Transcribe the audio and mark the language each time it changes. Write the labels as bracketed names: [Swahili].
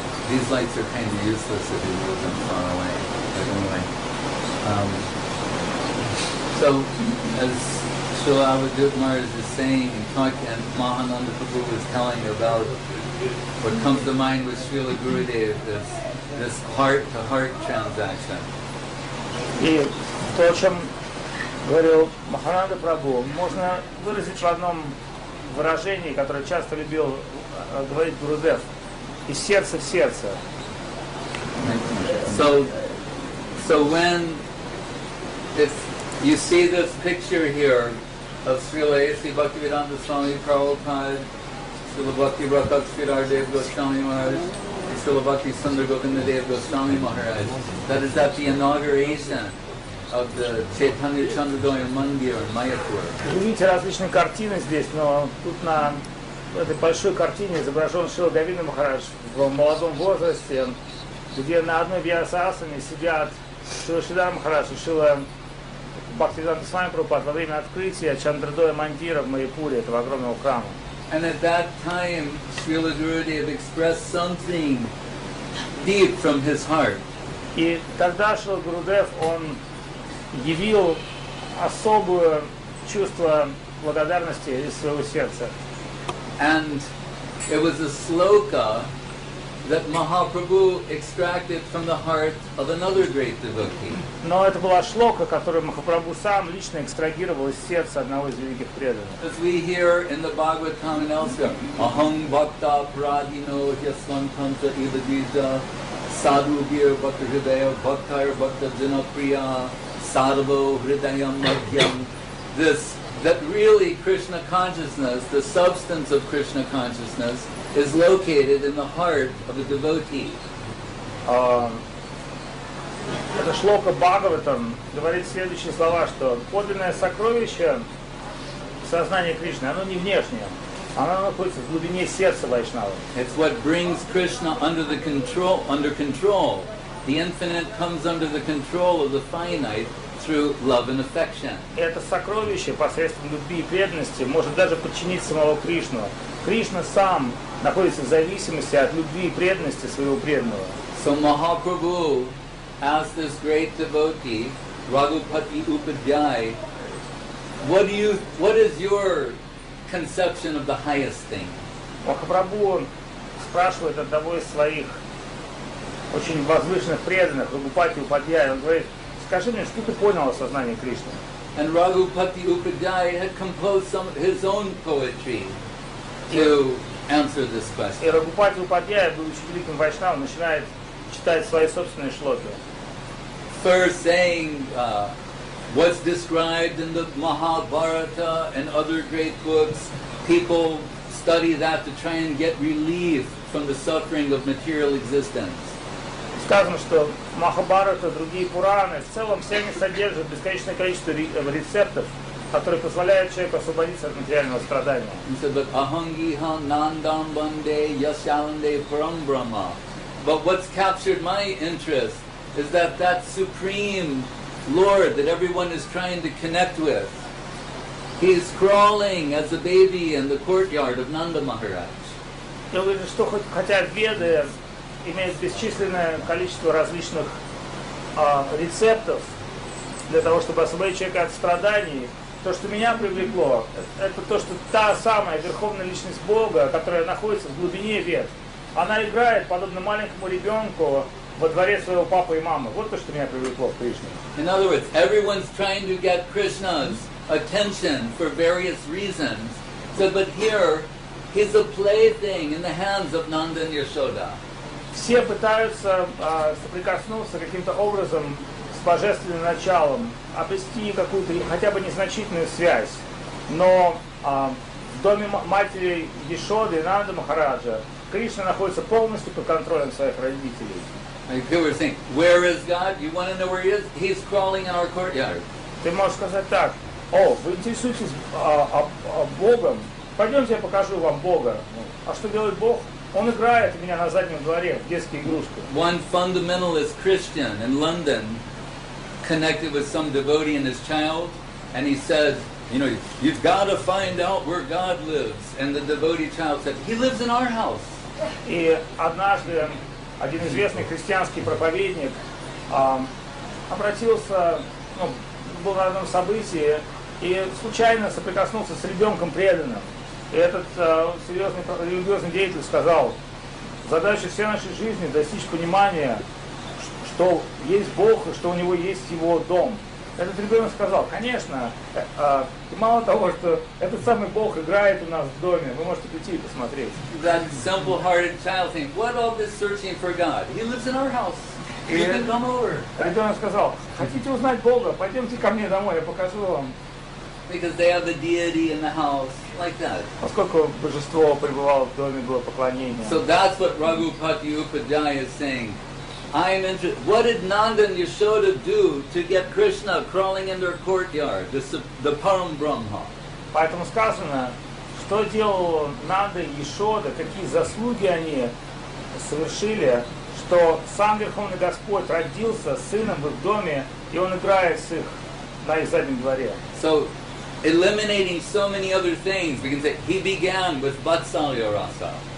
[English] These lights are kind of useless if you move them far away. But anyway, so as So Avadhut Maharaj is saying and talking, and Mahananda Prabhu is telling about what comes to mind with Srila Gurudev, this heart-to-heart transaction. [Russian] И то, о чем говорил Махананда Прабху, можно выразить в одном выражении, которое часто любил говорить Гурудев, из сердца в сердце. [English] So when if you see this picture here, of Srila Asi Bhaktivedanta Swami Prabhupada, Srila Bhakti Rakhak Sridhar Dev Goswami Maharaj, Srila Bhakti Sundar Gokanda Dev Goswami Maharaj, that is at the inauguration of the Chaitanya Chandragoya Mandir in Mayapur. [Russian] Вы видите различные картины здесь, но тут на этой большой картине изображен Шрила Гавинда Махарадж в молодом возрасте, где на одной вьясасане сидят Шрила Шридхар Махарадж и Шрила Бхактивиданта Свами Прабхупад во время открытия Чандрадоя Мандира в Майяпуре, этого огромного храма. [English] And at that time, Srila Gurudev expressed something deep from his heart. [Russian] И тогда Шрила Гурудев, он явил особое чувство благодарности из своего сердца. [English] And it was a sloka that Mahaprabhu extracted from the heart of another great devotee. [Russian] Но это была шлока, которую Махапрабху сам лично экстрагировал из сердца одного из великих преданных. [English] As we hear in the Bhagavatam and elsewhere, [Sanskrit] Aham Bhakta Pradino Yasvantam Sa Ivadija Sadhu Bhir Bhakta Hridaya Bhaktar Bhakta Jinapriya Sarvo Hridayam Madhyam. [English] This, that really Krishna consciousness, the substance of Krishna consciousness, is located in the heart of a devotee. [Russian] Это шлока Бхагаватам говорит следующие слова, что подлинное сокровище сознания Кришны, оно не внешнее, оно находится в глубине сердца вайшнава. [English] It's what brings Krishna under the control, under control. The infinite comes under the control of the finite through love and affection. [Russian] Это сокровище посредством любви и преданности может даже подчинить самого Кришну. Кришна сам находится в зависимости от любви и преданности своего преданного. [English] So Mahaprabhu asked this great devotee, Raghupati Upadhyay, what is your conception of the highest thing? [Russian] Махапрабху спрашивает одного из своих очень возвышенных преданных, Раghupati Upadhyay, он говорит, скажи мне, что ты понял о сознании Кришны? [English] And Raghupati Upadhyay had composed some of his own poetry to answer this question. [Russian] И Раghupati Upadhyay, будучи великим вайшнавом, начинает читать свои собственные шлоки. [English] First saying what's described in the Mahabharata and other great books, people study that to try and get relief from the suffering of material existence. [Russian] Сказано, что Махабхарата, другие Пураны, в целом все они содержат бесконечное количество рецептов, которые позволяют человеку освободиться от материального страдания. [English] He said, but [Sanskrit] ahangiha nandam bande yasyalande param brahma. [English] But what's captured my interest is that that Supreme Lord that everyone is trying to connect with, he is crawling as a baby in the courtyard of Nanda Maharaj. [Russian] Я вижу, что хотя Веды имеют бесчисленное количество различных рецептов для того, чтобы освободить человека от страданий, то, что меня привлекло, это то, что та самая Верховная Личность Бога, которая находится в глубине Вед, она играет подобно маленькому ребенку во дворе своего папы и мамы. Вот то, что меня привлекло в Кришне. [English] In other words, everyone's trying to get Krishna's attention for various reasons. So, but here, he's a plaything in the hands of Nanda and Yashoda. [Russian] Все пытаются соприкоснуться каким-то образом с божественным началом, обрести какую-то хотя бы незначительную связь. Но в доме матери Яшоды, Нанды Махараджа, Кришна находится полностью под контролем своих родителей. [English] Like we're saying, where is God? You want to know where he is? He's crawling in our courtyard. [Russian] Ты можешь сказать так: о, вы интересуетесь Богом? Пойдемте, я покажу вам Бога. А что делает Бог? Он играет у меня на заднем дворе в детские игрушки. [English] One fundamentalist Christian in London connected with some devotee in his child, and he said, you know, you've got to find out where God lives. And the devotee child said, he lives in our house. [Russian] И однажды один известный христианский проповедник обратился, ну, был на одном событии, и случайно соприкоснулся с ребенком преданным. И этот серьезный религиозный деятель сказал: задача всей нашей жизни — достичь понимания, что есть Бог и что у него есть его дом. Этот ребенок сказал: конечно, и мало того, что этот самый Бог играет у нас в доме, вы можете прийти и посмотреть. [English] That simple-hearted child thing. What all this searching for God? He lives in our house. You can come over. [Russian] Ребенок сказал: хотите узнать Бога? Пойдемте ко мне домой, я покажу вам. [English] Because they have the deity in the house, like that. [Russian] Поскольку божество пребывало в доме, было поклонение. [English] So that's what Raghupati Upadhyaya is saying. I'm interested. What did Nanda and Yashoda do to get Krishna crawling in their courtyard, the Param Brahma? [Russian] Поэтому сказано, что делал Нанда и Яшода, какие заслуги они совершили, что сам Верховный Господь родился сыном в их доме, и он играет с их на их заднем дворе. [English] So, eliminating so many other things, we can say he began with Vatsalya Rasa.